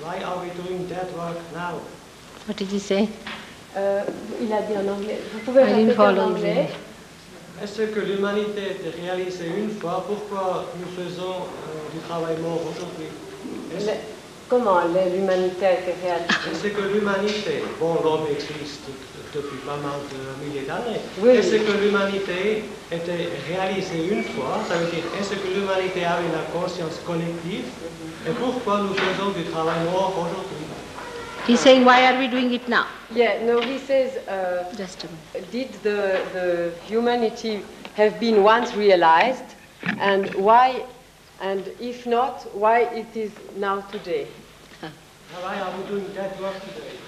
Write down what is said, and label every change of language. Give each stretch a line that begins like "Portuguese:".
English: Why are we doing that work now? What did he say?
French: Il a dit en anglais. Vous pouvez répéter en anglais. Est-ce que l'humanité a réalisé une fois? Pourquoi nous faisons du travail mort aujourd'hui? Comment l'humanité a été réalisée? Est-ce que l'humanité, bon, l'homme existe depuis pas mal de milliers d'années. Oui. Est-ce que l'humanité était réalisée une fois? Ça veut dire, est-ce que l'humanité avait la conscience collective? Et pourquoi nous faisons du travail mort aujourd'hui?
English: He's saying, why are we doing it now? Yeah, no, he says, did the humanity have been once realized? And why? And if not, why it is now today? Why are we doing that work today?